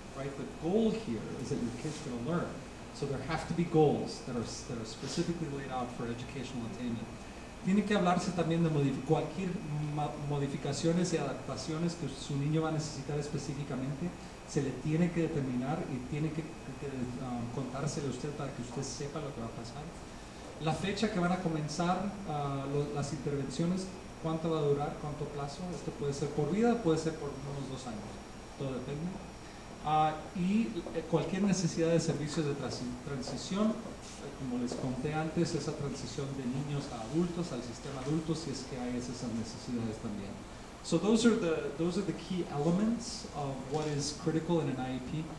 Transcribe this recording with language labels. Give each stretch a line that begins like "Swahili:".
English: Right, the goal here is that your kid's going to learn. So there have to be goals that are specifically laid out for educational attainment.
Spanish: Tiene que hablarse también de cualquier modificaciones y adaptaciones que su niño va a necesitar específicamente. Se le tiene que determinar y tiene que contárselo a usted para que usted sepa lo que va a pasar. La fecha que van a comenzar las intervenciones, cuánto va a durar, cuánto plazo. Esto puede ser por vida, puede ser por unos dos años. Todo depende. Y cualquier necesidad de servicios de transición, como les conté antes, esa transición de niños a adultos, al sistema adulto, si es que hay esas necesidades también.
English: So those are the key elements of what is critical in an IEP.